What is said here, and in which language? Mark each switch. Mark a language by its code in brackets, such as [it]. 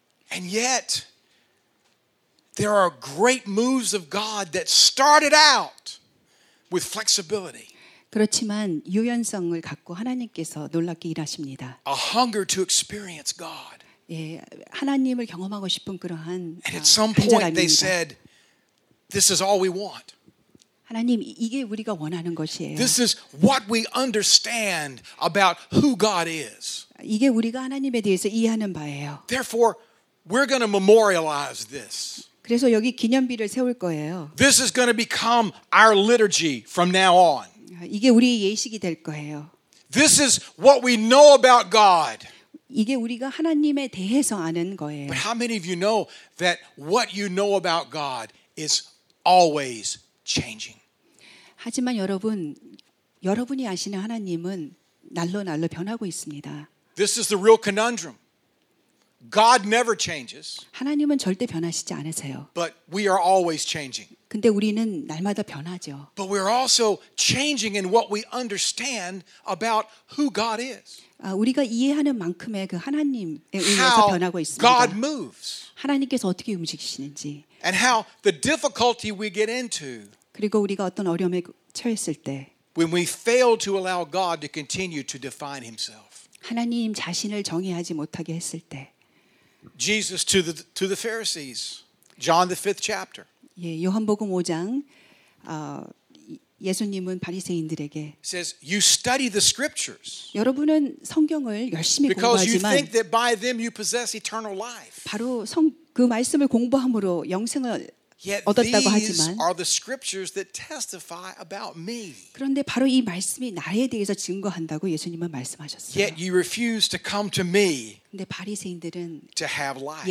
[en] And yet there are great moves of God that started out with flexibility. [ko] 그렇지만 유연성을 갖고 하나님께서 놀랍게 일하십니다. [en] A hunger to experience God. [ko] 예, 하나님을 경험하고 싶은 그러한 [en] And at some point they said, "This is all we want." [ko] 하나님, 이게 우리가 원하는 것이에요. [en] This is what we understand about who God is. [ko] 이게 우리가 하나님에 대해서 이해하는 바예요. [en] Therefore, we're going to memorialize this. [ko] 그래서 여기 기념비를 세울 거예요. [en] This is going to become our liturgy from now on. [ko] 이게 우리의 예식이 될 거예요. [en] This is what we know about God. [ko] 이게 우리가 하나님에 대해서 아는 거예요. [en] But how many of you know that what you know about God is always changing? [ko] 하지만 여러분이 아시는 하나님은 날로 날로 변하고 있습니다. [en] This is the real conundrum. God never changes. [ko] 하나님은 절대 변하시지 않으세요. [en] But we are always changing. [ko] 근데 우리는 날마다 변하죠. [en] But we are also changing in what we understand about who God is. [ko] 우리가 이해하는 만큼의 그 하나님에 의해서 변하고 있습니다. [en] God moves. [ko] 하나님께서 어떻게 움직이시는지. [en] And how the difficulty we get into. [ko] 그리고 우리가 어떤 어려움에 처했을 때. [en] When we fail to allow God to continue to define himself. [ko] 하나님 자신을 정의하지 못하게 했을 때 [en] Jesus to the Pharisees John the 5th chapter. [ko] 예, 요한복음 5장 예수님은 바리새인들에게 [en] says you study the scriptures. [ko] 여러분은 성경을 열심히 [en] because [ko] 공부하지만 [en] because you think that by them you possess eternal life. [ko] 바로 성 그 말씀을 공부함으로 영생을 [en] Yet [ko] 얻었다고 [en] these [ko] 하지만 [en] are the scriptures that testify about me. [ko] 그런데 바로 이 말씀이 나에 대해서 증거한다고 예수님은 말씀하셨어요. [en] Yet you refuse to come to me. [ko] 근데 바리새인들은 [en] to have life.